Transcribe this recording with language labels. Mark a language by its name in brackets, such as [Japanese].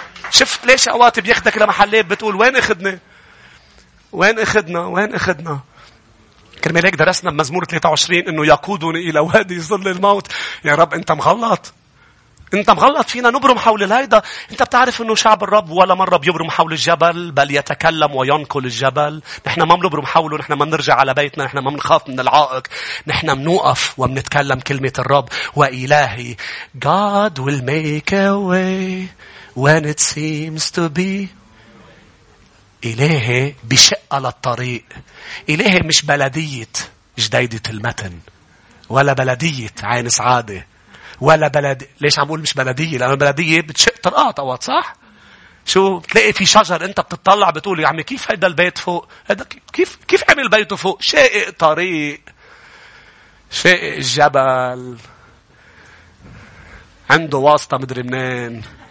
[Arabic] شفت ليش أوقات بياخدك لمحلات بتقول وين أخدنا؟ وين أخدنا؟ وين أخدنا؟ كرمال هيك درسنا بمزمور 23 إنه يقودني إلى وادي ظل الموت. يا رب أنت مغلط. انت مغلط فينا نبرم حول الهيدا. انت بتعرف انه شعب الرب ولا مرة بيبرم حول الجبل بل يتكلم وينقل الجبل. نحن ما منبرم حوله، نحن ما منرجع على بيتنا، نحن ما منخاف من العائق، نحن منوقف ومنتكلم كلمة الرب. وإلهي [English] God will make a way when it seems to be. [Arabic] إلهي بشق على الطريق. إلهي مش بلدية جديدة المتن ولا بلدية عين سعادة ولا بلدي. ليش عم قول مش بلدية؟ لأن بلدية بتشق طرقات أوقات، صح؟ شو بتلاقي في شجر انت بتطلع بتقول يا عمي كيف هيدا البيت فوق؟ هيدا كيف عمل بيته فوق؟ شائق طريق، شائق الجبل، عنده واسطة مدري منين.